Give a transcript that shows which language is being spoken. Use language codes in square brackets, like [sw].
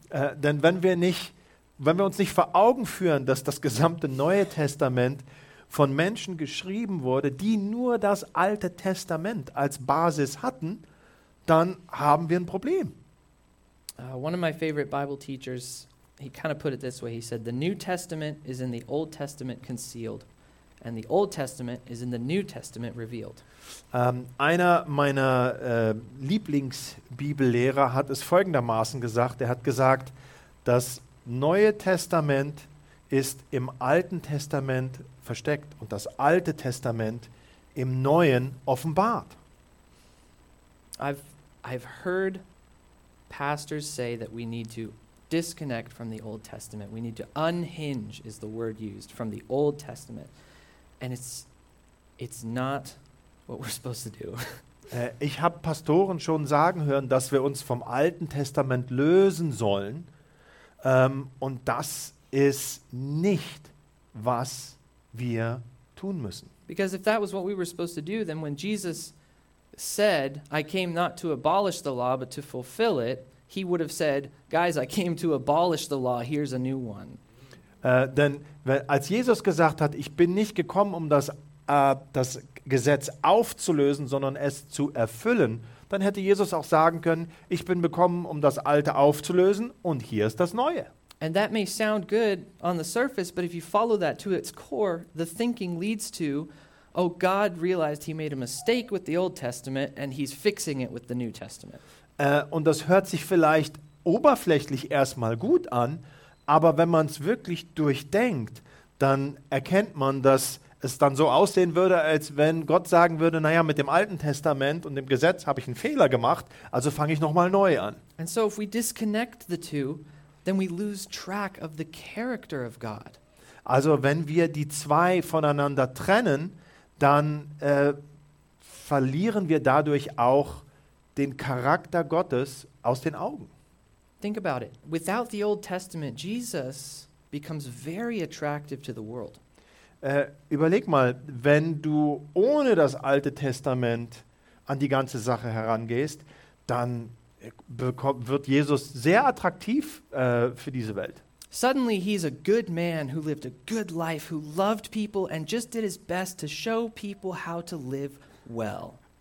[de] Denn wenn wir nicht wenn wir uns nicht vor Augen führen, dass das gesamte Neue Testament von Menschen geschrieben wurde, die nur das Alte Testament als Basis hatten, dann haben wir ein Problem. [en] One of my favorite Bible teachers, he kind of put it this way. He said, the New Testament is in the Old Testament concealed, and the Old Testament is in the New Testament revealed. [de] Einer meiner Lieblingsbibellehrer hat es folgendermaßen gesagt. Er hat gesagt, das Neue Testament ist im Alten Testament versteckt und das Alte Testament im Neuen offenbart. [en] I've heard pastors say that we need to disconnect from the Old Testament. We need to unhinge is the word used from the Old Testament. And it's not what we're supposed to do. [de] Ich habe Pastoren schon sagen hören, dass wir uns vom Alten Testament lösen sollen. Und das ist nicht, was wir tun müssen. [en] Because if that was what we were supposed to do, then when Jesus said, I came not to abolish the law, but to fulfill it, he would have said, guys, I came to abolish the law, here's a new one. [de] Denn als Jesus gesagt hat, ich bin nicht gekommen, um das Gesetz aufzulösen, sondern es zu erfüllen, dann hätte Jesus auch sagen können, ich bin gekommen, um das Alte aufzulösen und hier ist das Neue. [en] And that may sound good on the surface, but if you follow that to its core, the thinking leads to, oh, God realized he made a mistake with the Old Testament and he's fixing it with the New Testament. [de] Und das hört sich vielleicht oberflächlich erstmal gut an, aber wenn man es wirklich durchdenkt, dann erkennt man, dass es dann so aussehen würde, als wenn Gott sagen würde, naja, mit dem Alten Testament und dem Gesetz habe ich einen Fehler gemacht, also fange ich nochmal neu an. [en] And so if we disconnect the two, then we lose track of the character of God. [de] Also wenn wir die zwei voneinander trennen, dann verlieren wir dadurch auch den Charakter Gottes aus den Augen. [en] Think about it. Without the Old Testament, Jesus becomes very attractive to the world. [de] Überleg mal, wenn du ohne das Alte Testament an die ganze Sache herangehst, dann wird Jesus sehr attraktiv für diese Welt. [en] Suddenly he's a good man who lived a good life, who loved people and just did his best to show people how to live well.